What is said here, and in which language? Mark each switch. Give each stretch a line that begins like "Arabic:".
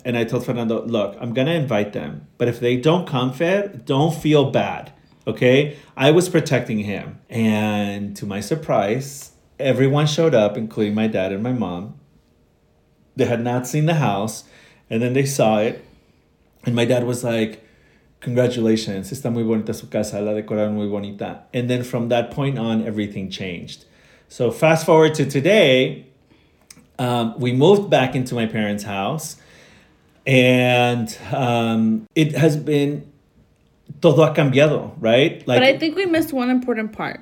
English: And I told Fernando, look, I'm going to invite them. But if they don't come, Fer, don't feel bad. Okay? I was protecting him. And to my surprise, everyone showed up, including my dad and my mom. They had not seen the house. And then they saw it. And my dad was like, congratulations,
Spanish: está muy bonita su casa, la decoraron muy bonita.
English: And then from that point on, everything changed. So fast forward to today, we moved back into my parents' house. And it has been,
Spanish: todo ha cambiado,
English: right? Like, but I think we missed one important part.